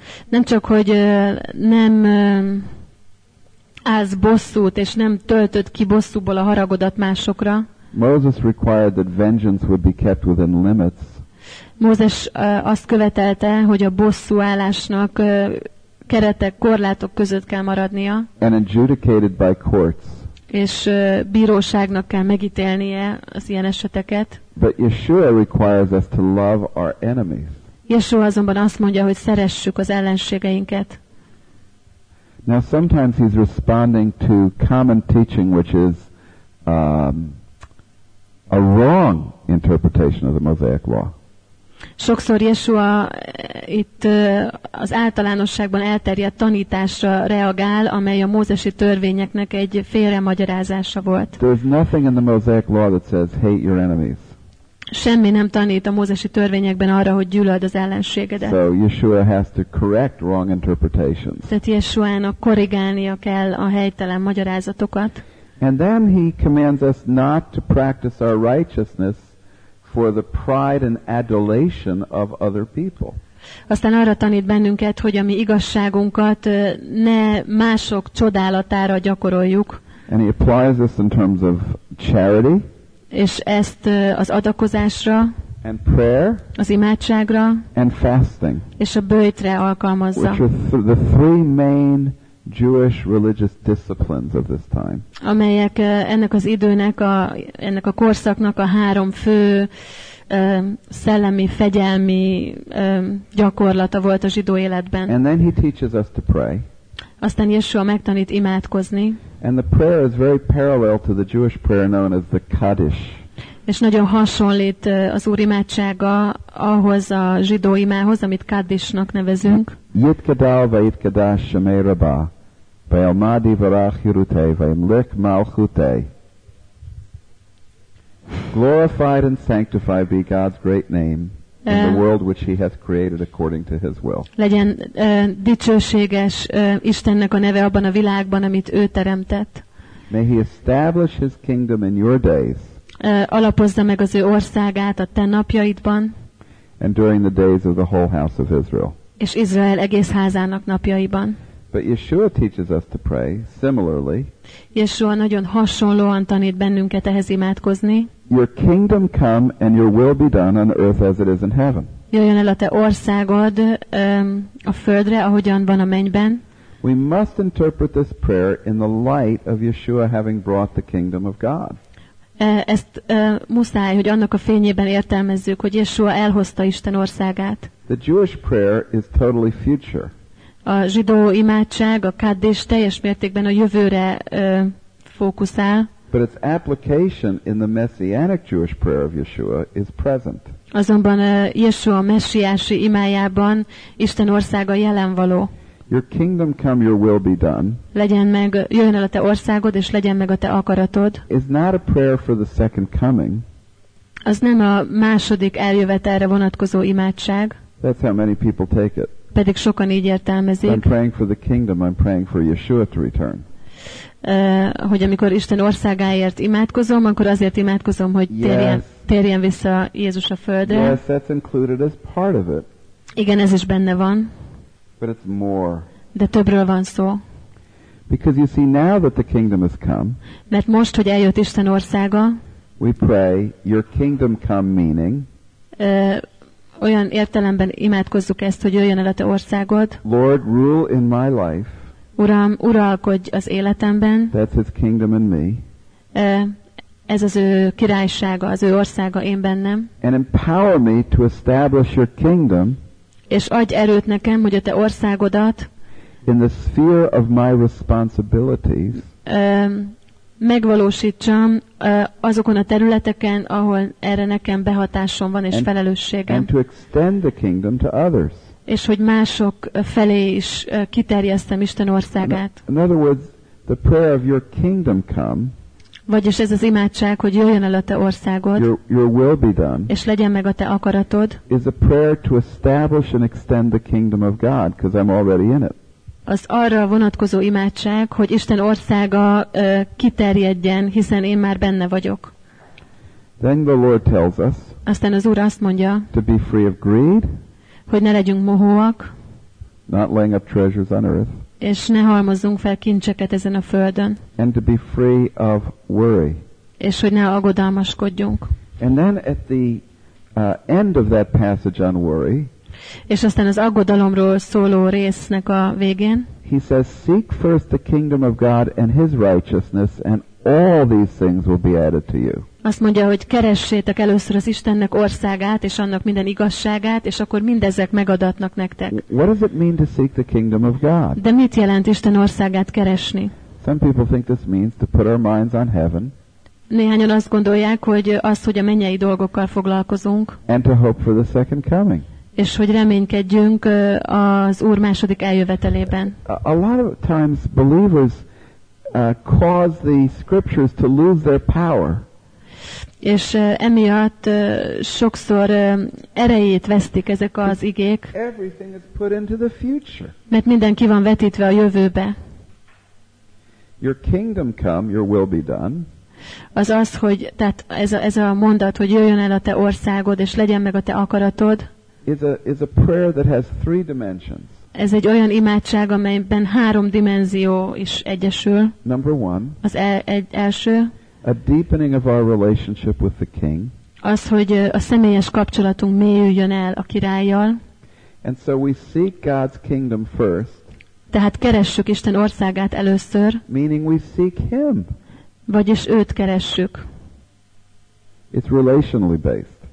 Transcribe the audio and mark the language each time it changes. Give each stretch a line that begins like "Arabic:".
Hungarian: Nem csak, hogy nem állsz bosszút, és nem töltöd ki bosszúból a haragodat másokra.
English: Moses required that vengeance would be kept within limits.
Hungarian: Mózes azt követelte, hogy a bosszú állásnak keretek, korlátok között kell maradnia.
English: And adjudicated by courts.
Hungarian: és bíróságnak kell megítélnie az ilyen eseteket.
English: But Yeshua requires us to love our enemies.
Hungarian: Yeshua azonban azt mondja, hogy szeressük az ellenségeinket.
English: Now sometimes he's responding to common teaching, which is a wrong interpretation of the Mosaic law.
Hungarian: Sokszor Yeshua itt az általánosságban elterjedt tanításra reagál, amely a mózesi törvényeknek egy félre magyarázása volt.
English: There's nothing in the Mosaic law that says hate your enemies.
Hungarian: Semmi nem tanít a mózesi törvényekben arra, hogy gyűlöld az ellenségedet.
English: So Yeshua has to correct wrong interpretations.
Hungarian: Tehát Yeshuának korrigálnia kell a helytelen magyarázatokat.
English: And then he commands us not to practice our righteousness for the pride and adulation of other people.
Hungarian: Aztán arra tanít bennünket, hogy a mi igazságunkat ne mások csodálatára gyakoroljuk.
English: And he applies this in terms of charity.
Hungarian: És ezt az adakozásra,
English: and prayer,
Hungarian: az imádságra,
English: and fasting,
Hungarian: és a böjtre alkalmazza.
English: Which are the three main Jewish religious disciplines of this time.
Hungarian: Amelyek ennek az időnek, ennek a korszaknak a három fő szellemi, fegyelmi gyakorlata volt a zsidó életben.
English: And then he teaches us to pray.
Hungarian: Aztán Yeshua megtanít imádkozni.
English: And the prayer is very parallel to the Jewish prayer known as the Kaddish.
Hungarian: És nagyon hasonlít az Úr imádsága ahhoz a zsidó imához, amit Kaddishnak nevezünk.
Aramaic: Yitkadal vayitkadash shemei rabba, vayelmadi varach yirutei, vayimlik malchutei.
English: Glorified and sanctified be God's great name. In the world which he hath created according to his will.
Hungarian: Legyen dicsőséges Istennek a neve abban a világban, amit ő teremtett.
English: May he establish his kingdom in your days.
Hungarian: Alapozza meg az ő országát a te napjaidban.
English: And during the days of the whole house of Israel.
Hungarian: És Izrael egész házának napjaiban.
English: But Yeshua teaches us to pray similarly.
Hungarian: Yeshua nagyon hasonlóan tanít bennünket ehhez imádkozni.
English: Your kingdom come and your will be done on earth as it is in heaven.
Hungarian: Jöjjön el a te országod a földre, ahogyan van a mennyben.
English: We must interpret this prayer in the light of Yeshua having brought the kingdom of God.
Hungarian: Ezt muszáj, hogy annak a fényében értelmezzük, hogy Yeshua elhozta Isten országát.
English: The Jewish prayer is totally future.
Hungarian: A zsidó imádság, a kaddish teljes mértékben a jövőre fókuszál.
English: But its application in the messianic Jewish prayer of Yeshua is present.
Hungarian: Azonban Yeshua messiási imájában Isten országa jelenvaló.
English: Your kingdom come, your will be done.
Hungarian: Legyen meg, jöjjön el a te országod, és legyen meg a te akaratod.
English: Is not a prayer for the second coming.
Hungarian: Az nem a második eljövetelre vonatkozó imádság.
English: That's how many people take it.
Hungarian: Pedig sokan így értelmezik.
English: I'm praying for the kingdom, I'm praying for Yeshua to return.
Hungarian: Hogy amikor Isten országáért imádkozom, akkor azért imádkozom, hogy térjen vissza Jézus a földre.
English: Yes, that's included as part of it.
Hungarian: Igen, ez is benne van.
English: But it's more.
Hungarian: De többről van szó.
English: Because you see now that the kingdom has come.
Hungarian: Mert most, hogy eljött Isten országa.
English: We pray, your kingdom come, meaning.
Hungarian: Olyan értelemben imádkozzuk ezt, hogy jöjjön el a te országod.
English: Lord, rule in my life.
Hungarian: Uram, uralkodj az életemben.
English: That's his kingdom in me.
Hungarian: Ez az ő királysága, az ő országa én bennem.
English: And empower me to establish your kingdom.
Hungarian: És adj erőt nekem, hogy a te országodat
English: in the sphere of my responsibilities.
Hungarian: Megvalósítsam azokon a területeken, ahol erre nekem behatásom van és felelősségem.
English: And to extend the kingdom to others.
Hungarian: És hogy mások felé is kiterjesztem Isten országát.
English: In other words, the prayer of your kingdom come.
Hungarian: Vagyis ez az imádság, hogy jöjjön el a te országod.
English: Your will be done.
Hungarian: És legyen meg a te akaratod.
English: Is a prayer to establish and extend the kingdom of God, because I'm already in it.
Hungarian: Az arra vonatkozó imádság, hogy Isten országa kiterjedjen, hiszen én már benne vagyok.
English: Then the Lord tells us.
Hungarian: Aztán az Úr azt mondja.
English: To be free of greed.
Hungarian: Hogy ne legyünk mohóak,
English: not laying up treasures on earth,
Hungarian: és ne halmozzunk fel kincseket ezen a földön,
English: and to be free of worry,
Hungarian: és hogy ne aggodalmaskodjunk.
English: And then at the end of that passage on worry,
Hungarian: és aztán az aggodalomról szóló résznek a végén,
English: he says, seek first the kingdom of God and his righteousness, and all these things will be added to you.
Hungarian: Azt mondja, hogy keressétek először az Istennek országát és annak minden igazságát, és akkor mindezek megadatnak nektek.
English: What does it mean to seek the kingdom of God?
Hungarian: De mit jelent Isten országát keresni?
English: Some people think this means to put our minds on heaven.
Hungarian: Néhányan azt gondolják, hogy az, hogy a mennyei dolgokkal foglalkozunk.
English: And to hope for the second coming.
Hungarian: És hogy reménykedjünk az Úr második eljövetelében.
English: A lot of times believers cause the scriptures to lose their power.
Hungarian: És emiatt sokszor erejét vesztik ezek az igék.
English: Everything is put into the future.
Hungarian: Mert minden ki van vetítve a jövőbe.
English: Your kingdom come, your will be done.
Hungarian: Az az, hogy tehát ez a mondat, hogy jöjjön el a te országod és legyen meg a te akaratod.
English: Is a prayer that has three dimensions.
Hungarian: Ez egy olyan imádság, amelyben három dimenzió is egyesül.
English: Number one.
Hungarian: Az egy első.
English: A deepening of our relationship with the king.
Hungarian: Az, hogy a személyes kapcsolatunk mélyüljön el a királlyal.
English: And so we seek God's kingdom first.
Hungarian: Tehát keressük Isten országát először.
English: Meaning we seek him.
Hungarian: Vagyis őt keressük.
English: It's relationally based.